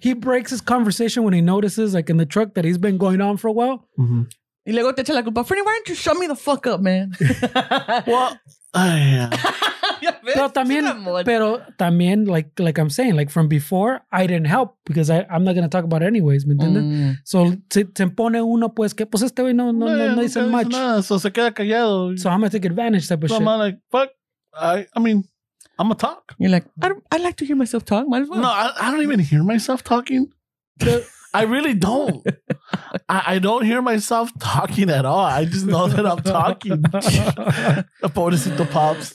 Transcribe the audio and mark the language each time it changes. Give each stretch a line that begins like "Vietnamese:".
English: He breaks his conversation when he notices, like in the truck, that he's been going on for a while. Mm-hmm.
Spanish: Y luego te echa la culpa,
English: Fernie, why don't you shut me the fuck up, man? Well, yeah.
Spanish: pero también,
English: like I'm saying, like from before, I didn't help because I'm not going to talk about it anyways,
Spanish: ¿me entiendes? Mm. So, se pone uno, pues, que pues este güey no dice much. Nada, so, se queda callado.
English: So, I'm going to take advantage type of shit. I'm like, fuck, I mean, I'm going to talk. You're like, I'd like to hear myself talk. Might as well. No, I don't even hear myself talking. I really don't. I don't hear myself talking at all. I just know that I'm talking. The pobrecito pops.